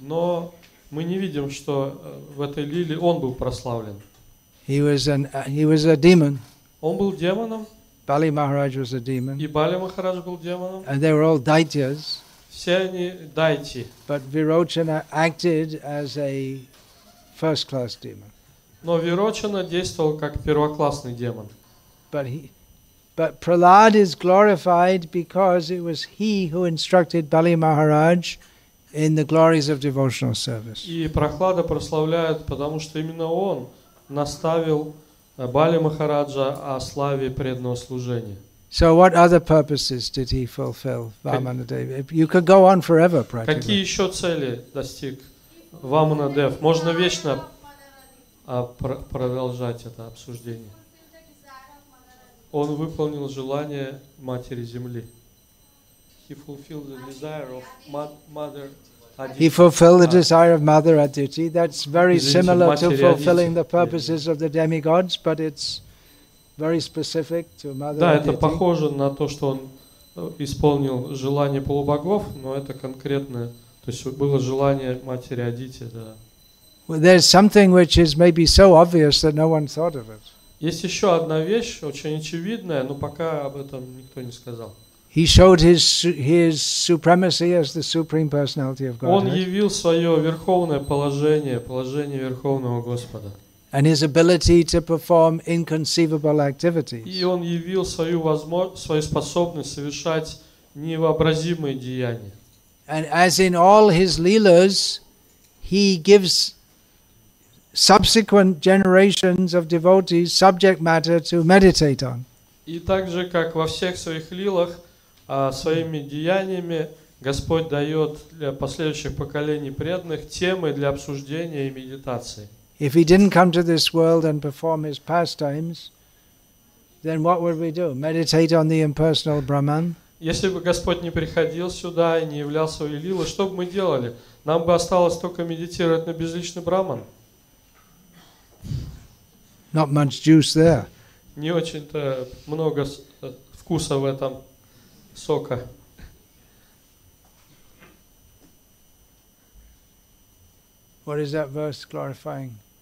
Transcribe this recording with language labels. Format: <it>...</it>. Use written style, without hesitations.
<ru>Но мы не видим, что в этой лиле он был прославлен.</ru> <en>He was a demon.</en> <ru>Он был демоном.</ru> <en>Bali Maharaj was a demon.</en> <ru>И Бали Махарадж был демоном.</ru> <en>And they were all daityas.</en> <ru>Все они дайти.</ru> <en>But Virochana acted as a first-class demon.</en> <ru>Но Вирочана действовал как первоклассный демон.</ru> <en>But Prahlad is glorified because it was he who instructed Bali Maharaj in the glories of devotional service.</en> <ru>И Прохлада прославляют, потому что именно он наставил Бали Махараджа о славе преданного служения.</ru> <en>So what other purposes did he fulfill, Vamanadev? You could go on forever, practically.</en> <ru>Какие еще цели достиг Vamanadev? Можно вечно продолжать это обсуждение. Он выполнил желание Матери Земли.</ru> <en>He fulfilled the desire of Mother Aditi. He fulfilled the desire of Mother Aditi. That's very similar to fulfilling the purposes of the demigods, but it's very specific to Mother Aditi.</en> <ru>Да, это похоже на то, что он исполнил желание полубогов, но это конкретное, то есть было желание Матери Адити, да.</ru> <en>Well, there's something which is maybe so obvious that no one thought of it.</en> <ru>Есть еще одна вещь, очень очевидная, но пока об этом никто не сказал.</ru> <en>He showed his supremacy as the supreme personality of Godhead.</en> <ru>Он явил свое верховное положение, положение Верховного Господа.</ru> <en>And his ability to perform inconceivable activities.</en> <ru>И он явил свою способность совершать невообразимые деяния.</ru> <en>And as in all his leelas, he gives subsequent generations of devotees subject matter to meditate on.</en> <ru>И также, как во всех своих лилах, своими деяниями Господь дает для последующих поколений преданных темы для обсуждения и медитации.</ru> <en>If he didn't come to this world and perform his pastimes, then what would we do? Meditate on the impersonal Brahman?</en> <ru>Если бы Господь не приходил сюда и не являл свои лилы, что бы мы делали? Нам бы осталось только медитировать на безличный Брахман.</ru> <en>Not much juice there.</en> <ru>Не очень-то много вкуса в этом сока.</ru> <en>What is that verse glorifying?</en>